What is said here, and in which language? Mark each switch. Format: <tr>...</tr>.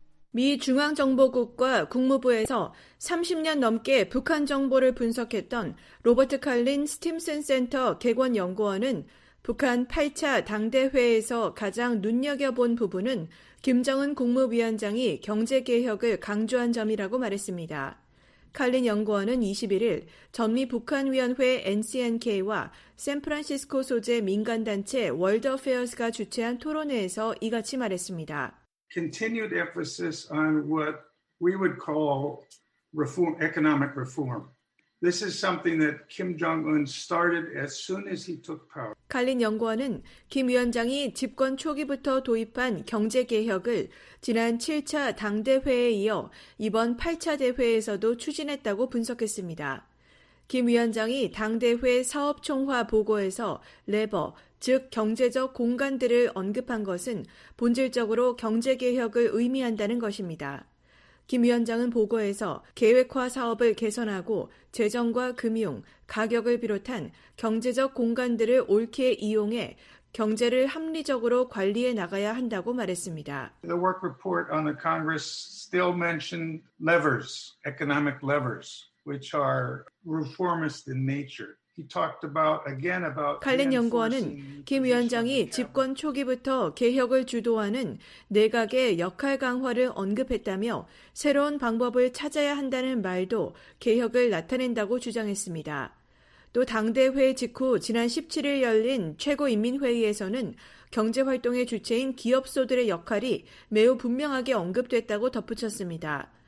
<ko>미 중앙정보국과 국무부에서 30년 넘게 북한 정보를 분석했던 로버트 칼린 스팀슨 센터 개원 연구원은 북한 8차 당대회에서 가장 눈여겨본 부분은 김정은 국무위원장이 경제개혁을 강조한 점이라고 말했습니다. 칼린 연구원은 21일 전미 북한위원회 NCNK와 샌프란시스코 소재 민간단체 월드어페어스가 주최한 토론회에서 이같이 말했습니다.</ko> <en>Continued emphasis on what we would call reform, economic reform. This is something that Kim Jong-un started as soon as he took power.</en> <ko>칼린 연구원은 김 위원장이 집권 초기부터 도입한 경제 개혁을 지난 7차 당대회에 이어 이번 8차 대회에서도 추진했다고 분석했습니다. 김 위원장이 당대회 사업총화 보고에서 레버, 즉 경제적 공간들을 언급한 것은 본질적으로 경제 개혁을 의미한다는 것입니다. 김 위원장은 보고에서 계획화 사업을 개선하고 재정과 금융, 가격을 비롯한 경제적 공간들을 옳게 이용해 경제를 합리적으로 관리해 나가야 한다고 말했습니다.</ko> <en>The work report on the Congress still mentioned levers, economic levers, which are reformist in nature. He talked about again about</en> <ko>칼린 연구원은 김 위원장이 집권 초기부터 개혁을 주도하는 내각의 역할 강화를 언급했다며 새로운 방법을 찾아야 한다는 말도 개혁을 나타낸다고 주장했습니다. 또 당대회 직후 지난 17일 열린 최고인민회의에서는 경제활동의 주체인 기업소들의 역할이 매우 분명하게 언급됐다고 덧붙였습니다.</ko>